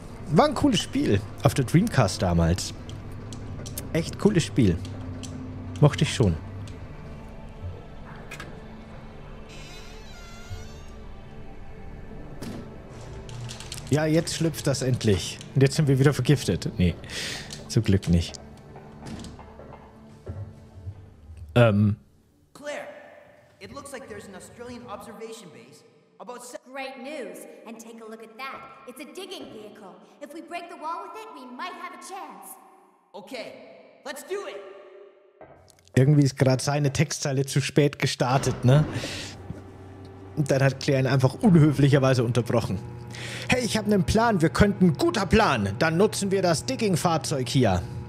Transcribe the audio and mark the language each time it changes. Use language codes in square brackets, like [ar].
[de] War ein cooles Spiel. Auf der Dreamcast damals. Echt cooles Spiel. Mochte ich schon. Ja, jetzt schlüpft das endlich. Und jetzt sind wir wieder vergiftet. Nee, zum Glück nicht. [en] Claire, it looks like there's an Australian observation base about... Great news, and take a look at that. It's a digging vehicle. If we break the wall with it, we might have a chance. Okay, let's do it! [de] Irgendwie ist gerade seine Textzeile zu spät gestartet, ne? Und dann hat Claire ihn einfach unhöflicherweise unterbrochen. Hey, ich habe einen Plan, wir könnten... Guter Plan! Dann nutzen wir das Digging-Fahrzeug hier.